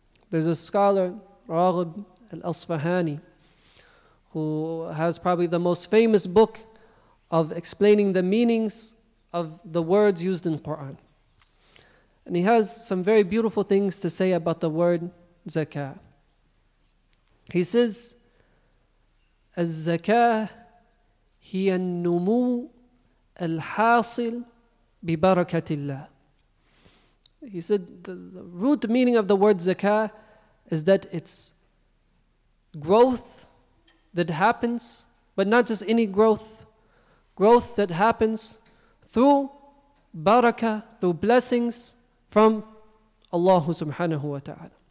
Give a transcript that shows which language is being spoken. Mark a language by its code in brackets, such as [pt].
[en] There's a scholar, Raghib al-Asfahani, who has probably the most famous book of explaining the meanings of the words used in Quran. And he has some very beautiful things to say about the word zakah. He says, [ar] "الزكاه هي النمو الحاصل ببركة الله." [en] He said the root meaning of the word zakah is that it's growth that happens, but not just any growth. Growth that happens through barakah, through blessings from Allah subhanahu wa ta'ala.